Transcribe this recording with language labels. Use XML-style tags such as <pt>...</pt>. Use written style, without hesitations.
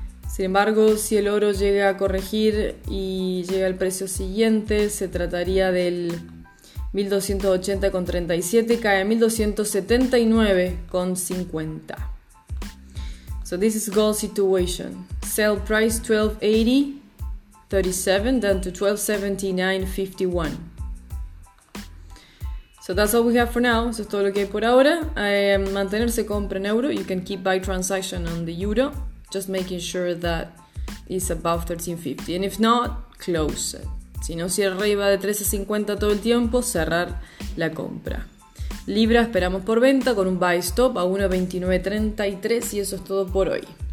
<es>Sin embargo, si el oro llega a corregir y llega al precio siguiente, se trataría del 1280.37 cae a 1279.50.</es> <en>So this is gold situation. Sell price 1280.37 down to 1279.51. So that's all we have for now.</en> <es>Eso es todo lo que hay por ahora. Mantenerse compra en euro.</es> <en>You can keep buy transaction on the euro. Just making sure that it's above 1350. And if not, close it.</en> <es>Si no cierra arriba de 13.50 todo el tiempo, cerrar la compra. Libra esperamos por venta con un buy stop a 1.2933 y eso es todo por hoy.</es>